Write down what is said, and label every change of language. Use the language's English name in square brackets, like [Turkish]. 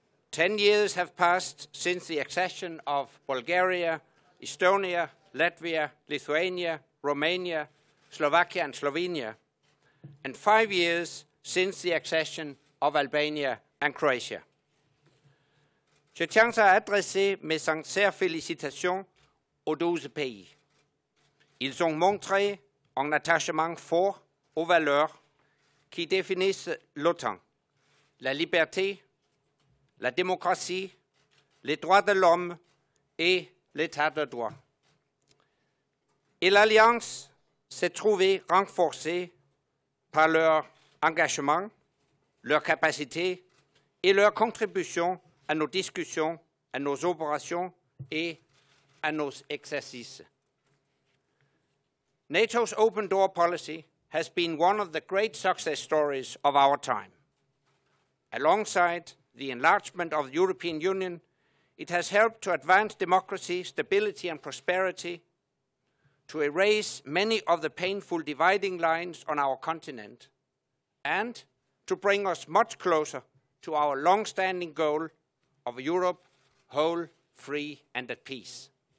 [English] 10 years have passed since the accession of Bulgaria, Estonia, Latvia, Lithuania, Romania, Slovakia and Slovenia, and 5 years since the accession of Albania and Croatia. [French] Je tiens à adresser mes sincères félicitations aux 12 pays. Ils ont montré un attachement fort aux valeurs qui définissent l'OTAN, la liberté, la démocratie, les droits de l'homme et l'état de droit. Et l'Alliance s'est trouvée renforcée par leur engagement, leur capacité et leur contribution à nos discussions, à nos opérations et à nos exercices. [English] NATO's open door policy has been one of the great success stories of our time. Alongside the enlargement of the European Union, it has helped to advance democracy, stability and prosperity, to erase many of the painful dividing lines on our continent, and to bring us much closer to our long-standing goal of a Europe whole, free and at peace.